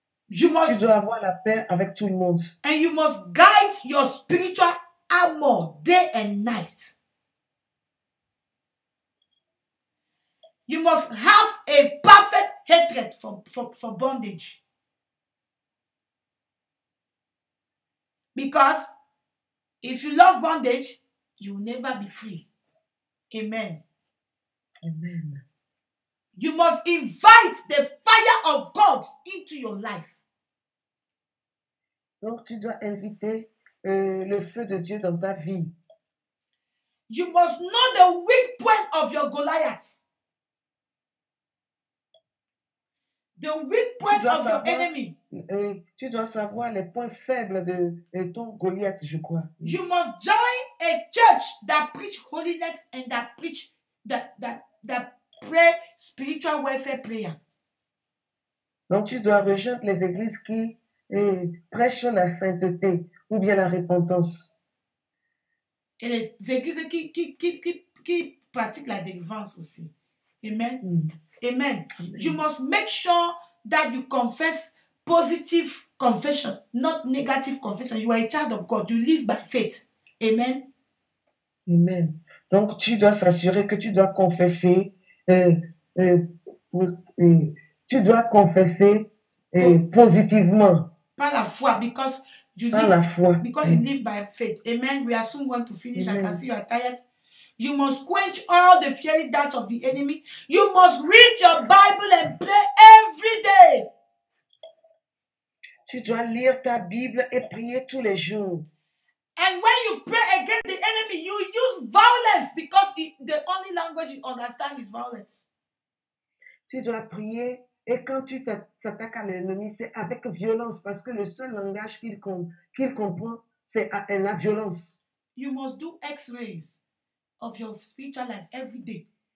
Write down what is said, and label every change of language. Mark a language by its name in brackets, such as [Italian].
[French] Tu dois avoir la paix avec tout le monde. [English] And you must guide your spiritual armor day and night. You must have a perfect hatred for bondage. Because if you love bondage, you will never be free. Amen. Amen. You must invite the fire of God into your life. [French] Donc tu dois inviter le feu de Dieu dans ta vie. [English] You must know the weak point of your Goliath. The weak point of your enemy. [French] Tu dois savoir les points faibles de ton Goliath, je crois. [English] You must join a church that preach holiness and that preach that pray spiritual welfare prayer. [French] Donc tu dois rejoindre les églises qui prêchent la sainteté ou bien la repentance. Et les églises qui pratiquent la délivrance aussi. [English] Amen. Mm. Amen. Amen. You must make sure that you confess positive confession, not negative confession. You are a child of God. You live by faith. Amen. [French] Amen. Donc tu dois s'assurer que tu dois confesser tu dois confesser positivement. Par la foi, [English] because you live. [French] Par la foi. [English] Because you live by faith. Amen. We are soon going to finish. Amen. I can see you are tired. You must quench all the fiery darts of the enemy. You must read your Bible and pray every day. [French] Tu dois lire ta Bible et prier tous les jours. [English] And when you pray against the enemy, you use violence because the only language you understand is violence. [French] Tu dois prier et quand tu t'attaques à l'ennemi, c'est avec violence parce que le seul langage qu'il comprend, c'est la violence. [English] You must do x-rays of your spiritual life every day.